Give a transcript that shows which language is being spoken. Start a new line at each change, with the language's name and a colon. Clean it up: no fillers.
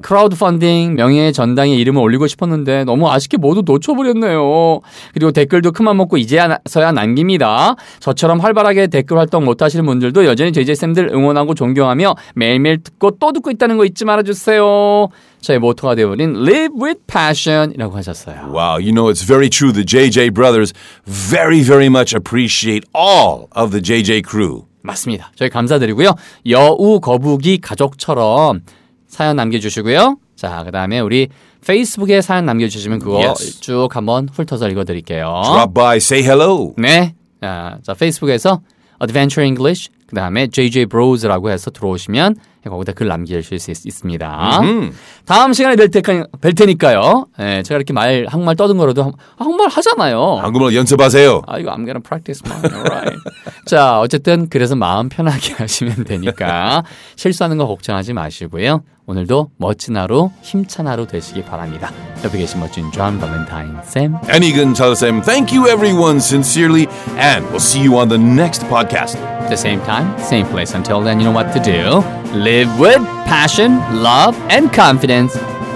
Korean: 크라우드펀딩 명예의 전당에 이름을 올리고 싶었는데 너무 아쉽게 모두 놓쳐버렸네요. 그리고 댓글도 그만 먹고 이제서야 남깁니다. 저처럼 활발하게 댓글 활동 못하시는 분들도 여전히 제제쌤들 응원하고 존경하며 매일매일 듣고 또 듣고 있다는 거 잊지 말아주세요. 저의 모토가 되어버린
English: Live with Passion
Korean: 이라고 하셨어요.
English: Wow, you know, it's very true. The JJ brothers very, very much appreciate all of the JJ crew.
Korean: 맞습니다. 저희 감사드리고요. 여우 거북이 가족처럼 사연 남겨주시고요. 자, 그 다음에 우리 페이스북에 사연 남겨주시면 그거
English: yes.
Korean: 쭉 한번 훑어서 읽어드릴게요.
English: Drop by, say hello.
Korean: 네. 자, 페이스북에서 Adventure English, 그 다음에 JJ Bros라고 해서 들어오시면 거기다 글 남기실 수 있습니다. Mm-hmm. 다음 시간에 뵐 테니까요. 네, 제가 이렇게 말, 한국말 떠든 거라도 한국말 하잖아요. 한국말 연습하세요. 아, 이거
English: I'm gonna practice mine. Alright.
Korean: 자, 어쨌든 그래서 마음 편하게 하시면 되니까 실수하는 거 걱정하지 마시고요. 오늘도 멋진 하루, 힘찬 하루 되시기 바랍니다. 옆에 계신 멋진 존 발렌타인 쌤.
English: 애니근 차드 쌤. Thank you everyone sincerely. And we'll see you on the next podcast. The same time, same place. Until then, you know what to do. Live with passion, love, and confidence.